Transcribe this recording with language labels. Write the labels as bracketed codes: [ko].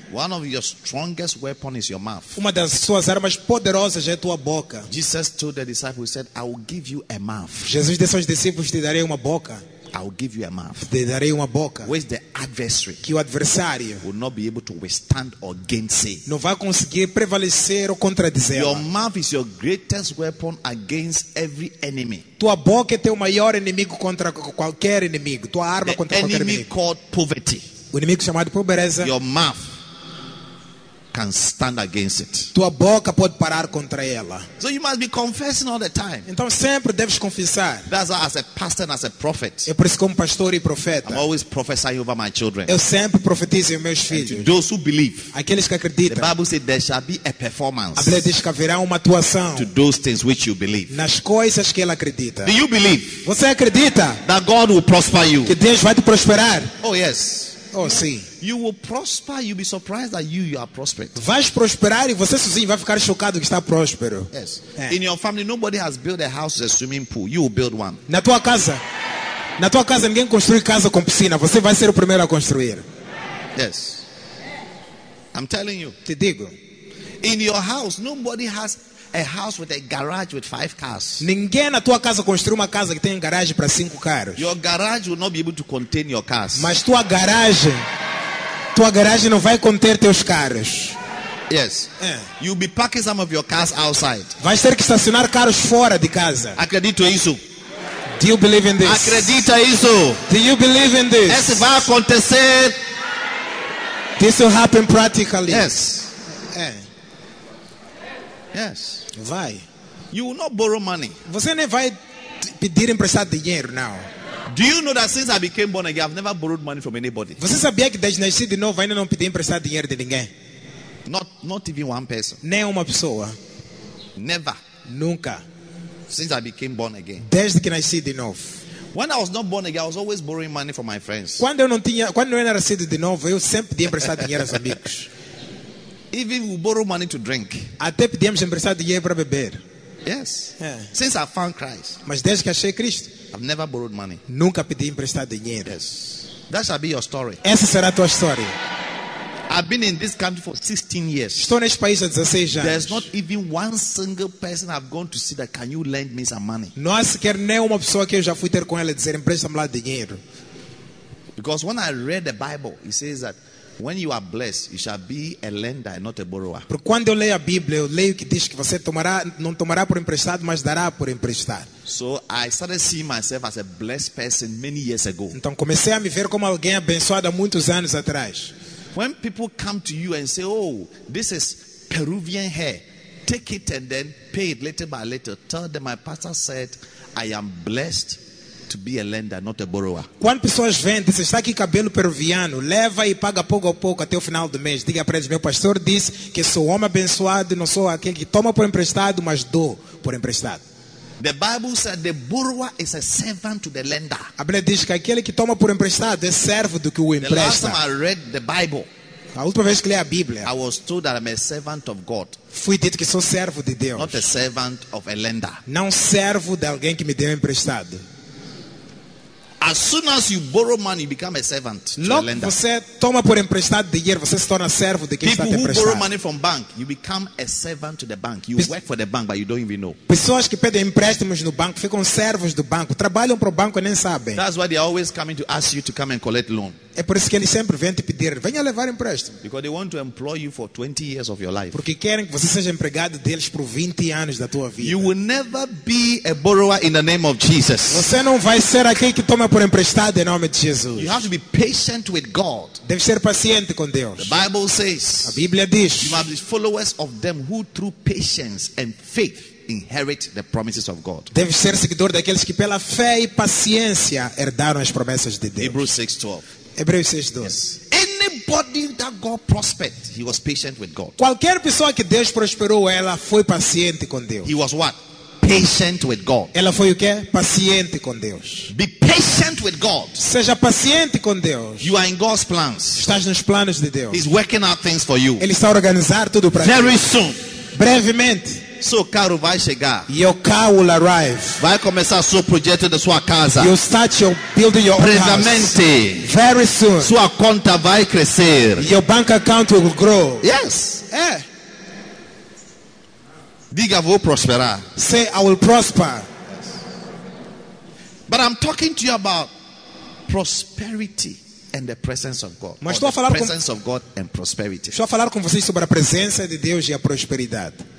[en] One of your strongest weapons is your mouth. [pt] Uma das suas armas poderosas é tua boca. [en] Jesus told the disciples, he said, I will give you a mouth. [pt] Jesus disse aos discípulos, te darei uma boca. [en] I will give you a mouth. [pt] Te darei uma boca. [en] Where's the adversary? [pt] Que o adversário [en] will not be able to withstand or gainsay. [pt] Não vai conseguir prevalecer ou contradizer. [en] Your mouth is your greatest weapon against every enemy. [pt] Tua boca é teu maior inimigo contra qualquer inimigo. Tua arma [en] the [pt] contra qualquer inimigo. [en] Enemy called poverty. [pt] O inimigo chamado pobreza. [en] Your mouth can stand against it. [pt] Tua boca pode parar contra ela. [en] So you must be confessing all the time. [pt] Então sempre deves confessar. [en] That's as a pastor and as a prophet. [pt] Eu por isso como pastor e profeta. [en] I'm always prophesying over my children. [pt] Eu sempre profetizo em meus filhos. [en] And to those who believe. [pt] Aqueles que acreditam. [en] The Bible says there shall be a performance. [pt] A Bíblia diz que haverá uma atuação. [en] To those things which you believe. [pt] Nas coisas que ele acredita. [en] Do you believe? [pt] Você acredita? [en] That God will prosper you. [pt] Que Deus vai te prosperar. [en] Oh yes. [pt] Oh, sim. [en] You will prosper. You'll be surprised that you are prosperous. [pt] Vais prosperar e você sozinho vai ficar chocado que está próspero. [en] Yes. [pt] É. [en] In your family, nobody has built a house with a swimming pool. You will build one. [pt] Na tua casa, ninguém construi casa com piscina. Você vai ser o primeiro a construir. [en] Yes. I'm telling you. [pt] Te digo. [en] In your house, nobody has a house with a garage with 5 cars. [pt] Ninguém na tua casa construiu uma casa que tem garagem para 5 carros. [en] Your garage will not be able to contain your cars. [pt] Mas tua garagem não vai conter teus carros. [en] Yes. [pt] É. [en] You'll be parking some of your cars outside. [pt] Vais ter que estacionar carros fora de casa. Acredito isso. [en] Do you believe in this? [pt] Acredita isso. [en] Do you believe in this? [pt] Isso vai acontecer. [en] This will happen practically. Yes. [pt] É. [en] Yes. [pt] Vai. [en] You will not borrow money. [pt] Você nem vai pedir emprestado dinheiro [en] now. Do you know that since I became born again, I've never borrowed money from anybody? [pt] Você sabia que desde nascer de novo ainda não pedi emprestado dinheiro de ninguém? [en] Not even one person. [pt] Nem uma pessoa. [en] Never. [pt] Nunca. [en] Since I became born again. [pt] Desde que nasci de novo. [en] When I was not born again, I was always borrowing money from my friends. [pt] Quando eu não era nascido de novo, eu sempre pedi emprestado dinheiro aos amigos. [en] Even we borrow money to drink. [pt] Até pedimos emprestado dinheiro para beber. [en] Yes. Yeah. Since I found Christ. [pt] Mas desde que achei Cristo. [en] I've never borrowed money. [pt] Nunca pedi emprestado dinheiro. [en] Yes. That shall be your story. [pt] Essa será a tua história. [en] I've been in this country for 16 years. [pt] Estou neste país há 16 anos. [en] There's not even one single person I've gone to see that can you lend me some money. [pt] Não há sequer nenhuma pessoa que eu já fui ter com ela dizer empresta-me lá dinheiro. [en] Because when I read the Bible, it says that when you are blessed, you shall be a lender, not a borrower. [pt] Porque quando eu leio a Bíblia, eu leio que diz que você não tomará por emprestado, mas dará por emprestar. [en] So I started seeing myself as a blessed person many years ago. [pt] Então comecei a me ver como alguém abençoado há muitos anos atrás. [en] When people come to you and say, "Oh, this is Peruvian hair," take it and then pay it little by little. Tell them my pastor said, "I am blessed to be a lender, not a borrower." [pt] Quando pessoas vêm, diz, está aqui cabelo peruviano, leva e paga pouco a pouco até o final do mês. Diga para eles, meu pastor disse que sou homem abençoado, não sou aquele que toma por emprestado, mas dou por emprestado. [en] The Bible says the borrower is a servant to the lender. [pt] A Bíblia diz que aquele que toma por emprestado é servo do que o empresta. [en] The last time I read the Bible, [pt] a última vez que li a Bíblia, [en] I was told that I'm a servant of God. [pt] Fui dito que sou servo de Deus. [en] Not a servant of a lender. [pt] Não servo de alguém que me deu emprestado. [en] As soon as you borrow money, you become a servant to [pt] Logo [en] a lender. [pt] Você toma por emprestado dinheiro, você se torna servo de quem [en] People [pt] está [en] who borrow money from bank, you become a servant to the bank. You work for the bank, but you don't even know. [pt] Pessoas que pedem empréstimos no banco ficam servos do banco, trabalham para o banco e nem sabem. [en] That's why they are always coming to ask you to come and collect loan. [pt] É por isso que eles sempre vêm te pedir, venha levar empréstimo. [en] Because they want to employ you for 20 years of your life. [pt] Porque querem que você seja empregado deles por 20 anos da tua vida. [en] You will never be a borrower in the name of Jesus. [pt] Você não vai ser aquele que toma por emprestado em nome de Jesus. [en] You have to be patient with God. [pt] Deve ser paciente com Deus. [en] The Bible says. [pt] A Bíblia diz. [en] You must be followers of them who through patience and faith inherit the promises of God. [pt] Deve ser seguidor daqueles que pela fé e paciência herdaram as promessas de Deus. [en] Hebrews 6:12. [pt] Hebreus 6:12. [en] Yes. Anybody that God prospered, he was patient with God. [pt] Qualquer pessoa que Deus prosperou, ela foi paciente com Deus. [en] He was what? Patient with God. [pt] Ela foi o quê? Paciente com Deus. [en] Be patient with God. [pt] Seja paciente com Deus. [en] You are in God's plans. [pt] Estás nos planos de Deus. [en] He's working out things for you. [pt] Ele está organizando tudo para ti. [en] Very soon. [pt] Brevemente. Seu carro vai chegar. [en] Your car will arrive. [pt] Vai começar seu projeto da sua casa. [en] You start your building your house. [pt] Brevemente. [en] Very soon. [pt] Sua conta vai crescer. [en] Your bank account will grow. Yes. [pt] É. Diga, vou prosperar. [en] Say, I will prosper. Yes. But I'm talking to you about prosperity and the presence of God. [pt] Mas estou a falar [en] presence of God and prosperity. [pt] Estou a falar com vocês sobre a presença de Deus e a prosperidade.